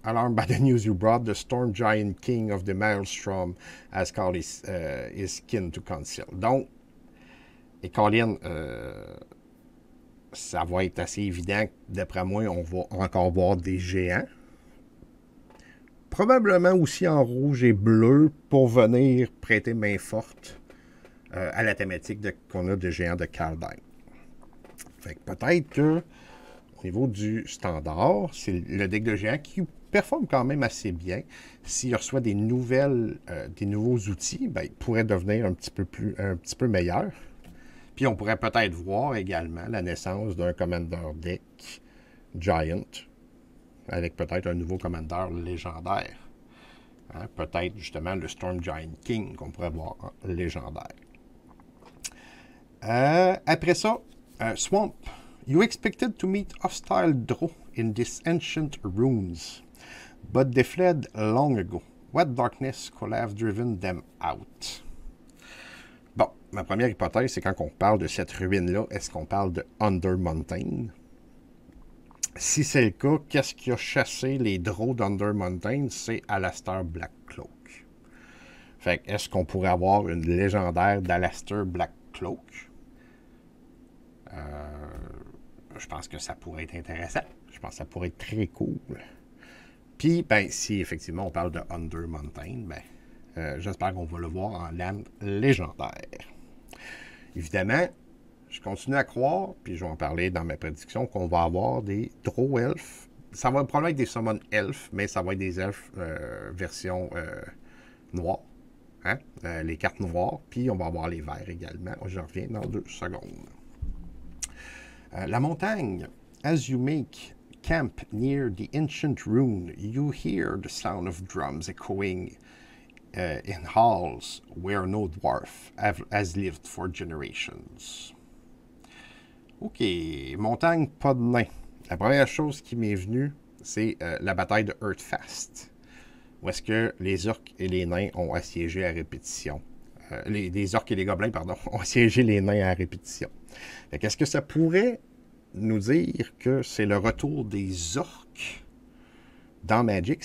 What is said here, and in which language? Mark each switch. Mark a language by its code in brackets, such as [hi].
[en] Alarmed by the news you brought, the Storm Giant King of the Maelstrom has called his kin to council. [fr] Donc, et Colin, ça va être assez évident que, d'après moi, on va encore voir des géants. Probablement aussi en rouge et bleu pour venir prêter main forte à la thématique qu'on a de géants de Kaldheim. Fait que peut-être que. Au niveau du standard, c'est le deck de géant qui performe quand même assez bien. S'il reçoit des nouveaux outils, ben, il pourrait devenir un petit peu meilleur. Puis on pourrait peut-être voir également la naissance d'un Commander Deck Giant, avec peut-être un nouveau Commander légendaire. Hein? Peut-être justement le Storm Giant King qu'on pourrait voir en légendaire. Après ça, Swamp. [en] You expected to meet hostile drow in these ancient ruins, but they fled long ago. What darkness could have driven them out? [fr] Bon, ma première hypothèse, c'est quand on parle de cette ruine-là, est-ce qu'on parle de Under Mountain? Si c'est le cas, qu'est-ce qui a chassé les drow d'Under Mountain? C'est Alastair Black Cloak. Fait que, est-ce qu'on pourrait avoir une légendaire d'Alastair Black Cloak? Je pense que ça pourrait être intéressant. Je pense que ça pourrait être très cool. Puis, ben, si effectivement on parle de Under Mountain, ben, j'espère qu'on va le voir en land légendaire. Évidemment, je continue à croire, puis je vais en parler dans ma prédiction, qu'on va avoir des Drow Elf. Ça va probablement être des Summon Elf, mais ça va être des Elfes version noire. Hein? Les cartes noires, puis on va avoir les verts également. Je reviens dans 2 secondes. La montagne. [en] As you make camp near the ancient ruin, you hear the sound of drums echoing in halls where no dwarf has lived for generations. [fr] Ok, montagne, pas de nain. La première chose qui m'est venue, c'est la bataille de Earthfast. Où est-ce que les orques et les nains ont assiégé à répétition. Les orques et les gobelins, pardon, ont assiégé les nains à répétition. Fait qu'est-ce que ça pourrait nous dire que c'est le retour des orques dans Magic?